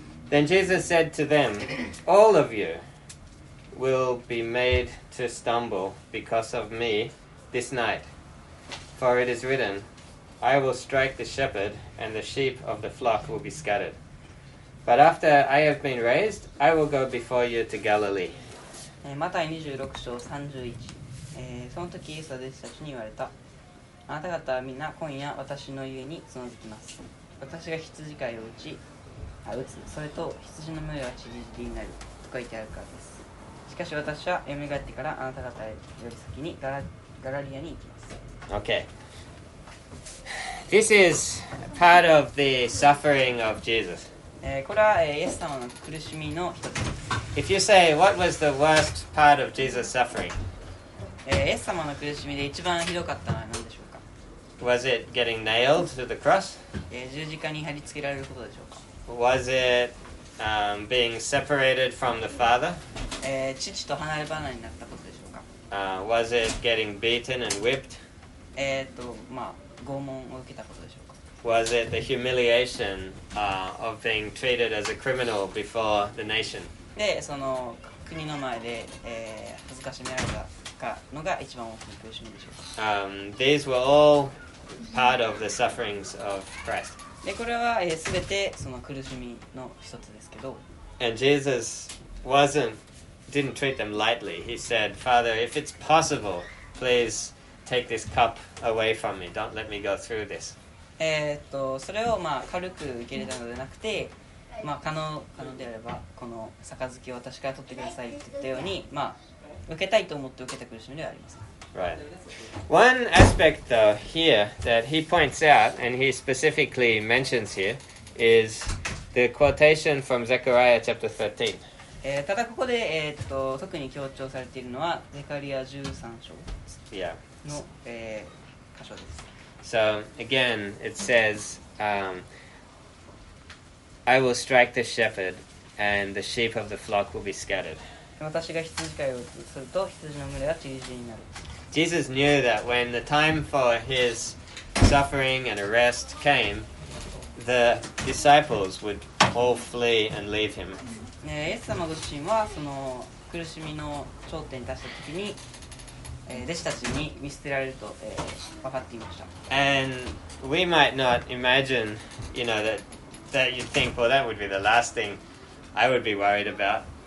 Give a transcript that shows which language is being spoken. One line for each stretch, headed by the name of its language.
English: Then Jesus said to them, All of you,will be made to stumble because of me this night. For it is written, I will strike the shepherd, and the sheep of the flock will be scattered. But after I have been raised, I will go before you to Galilee.
Japanese: マタイ26章31、その時イエスは弟子たちに言われた。あなた方はみんな今夜私の家に集まります。私が羊飼いを打つ、それと羊の群れはちりぢりになる、と書いてあるからです。しかし私は蘇ってからあなた方より先にガラリアに行きます。
English: Okay. This is part of the suffering of Jesus.
Japanese: これはイエス様の苦しみの一つ。
English: If you say, what was the worst part of Jesus' suffering?
Japanese: イエス様の苦しみで一番ひどかったのは何でしょうか?
English: Was it getting nailed to the cross?
Japanese: 十字架に貼り付けられることでしょうか?
English: Was it, being separated from the Father?
Japanese: 父と離れ離れになったことでしょうか
English: Was it getting beaten and whipped?
Japanese: まあ、拷問を受けたことでしょうか
English: Was it the humiliation, of being treated as a criminal before the nation?
Japanese: で、その国の前で、恥ずかしめられたかのが一番大きな苦しみでしょうか
English: These were all part of the sufferings of Christ.
Japanese: で、これは、全てその苦しみの一つですけど
English: And Jesus didn't treat them lightly. He said, Father, if it's possible, please take this cup away from me. Don't let me go through this.
Japanese: それをまあ軽く受け入れたのではなくて、まあ可能であれば、この杯を私から取ってくださいって言ったように、まあ受けたいと思って受けた苦しみではありません。
English: Right. One aspect, though, here that he points out and he specifically mentions here is the quotation from Zechariah chapter 13.
Japanese: ただここで、特に強調されているのはゼカリア13章の、
English: yeah.
Japanese: 箇所です。
English: So again, it says, I will strike the shepherd and the sheep of the flock will be scattered.
Japanese: 私が羊飼いをすると羊の群れは散り散りになる。
English: Jesus knew that when the time for his suffering and arrest came, the disciples would all flee and leave him.
Japanese: イエス様ご自身はその苦しみの頂点に達した時に、弟子たちに見捨てられると、分かっていました。
English: And we might not imagine, you know, that you'd think, well, that would be the last thing I would be worried about.